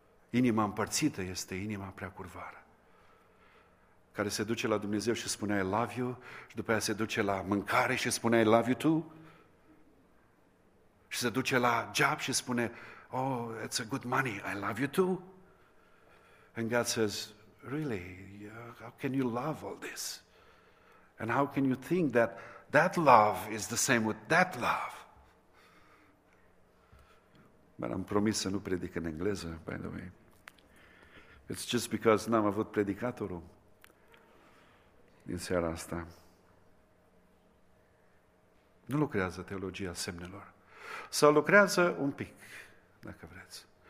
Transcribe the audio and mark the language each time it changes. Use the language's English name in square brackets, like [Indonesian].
[Romanian] Inima împărțită este inima prea curvară, care se duce la Dumnezeu și spune [English] I love you, [Romanian] și după aia se duce la mâncare și spune [English] I love you too, [Romanian] și se duce la job și spune [English] oh, it's a good money, I love you too. And God says, really, how can you love all this? And how can you think that that love is the same with that love? [Romanian] Dar am promis să nu predic în engleză, [English] by the way. It's just because [Romanian] n-am avut predicatorul din seara asta. Nu lucrează teologia semnelor. Sau lucrează un pic, dacă vreți.